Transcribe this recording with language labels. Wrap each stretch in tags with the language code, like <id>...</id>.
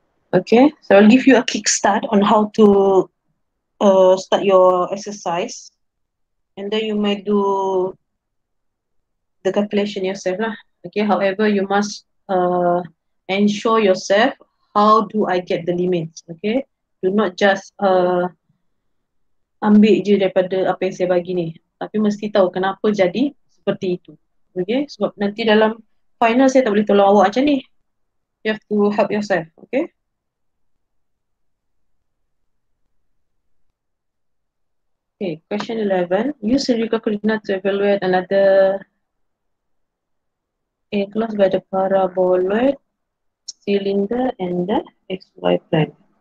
<en>Okay, so I'll give you a kickstart on how to start your exercise. And then you may do the calculation yourself lah. Okay, however, you must ensure yourself, how do I get the limits?</en> <ms>Okay,</ms> <en>do not just</en> <ms>ambil je daripada apa yang saya bagi ni, tapi mesti tahu kenapa jadi seperti itu. Okay, sebab nanti dalam final saya tak boleh tolong awak macam ni.</ms> <en>You have to help yourself. Okay. Okay, question 11. Use cylindrical coordinate to evaluate another enclosed by the paraboloid cylinder and the xy plane.</en>